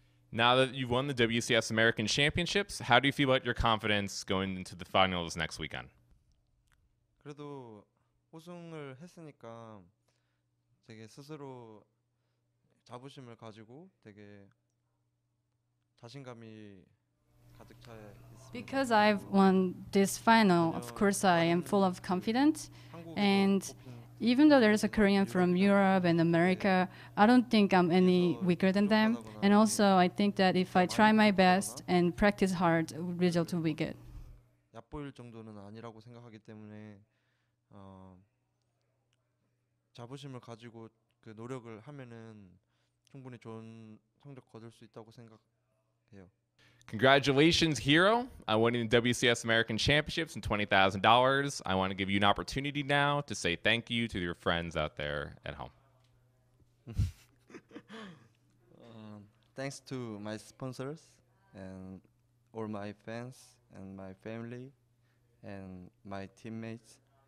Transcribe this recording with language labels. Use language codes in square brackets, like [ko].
[en] Now that you've won the WCS American Championships, how do you feel about your confidence going into the finals next weekend? [ko] 그래도 우승을 했으니까 되게 스스로 자부심을 가지고 되게 자신감이 가득 차 있습니다. [en] Because I've won this final, of course I am full of confidence. And even though there's a Korean from Europe and America, I don't think I'm any weaker than them. And also, I think that if I try my best and practice hard, result will be good. [ko] 약보일 정도는 아니라고 생각하기 때문에 자부심을 가지고 그 노력을 하면은 충분히 좋은 성적 거둘 수 있다고 생각해요. [en] Congratulations, HerO. I won in the WCS American Championships and $20,000. I want to give you an opportunity now to say thank you to your friends out there at home. Thanks to my sponsors and all my fans and my family and my teammates.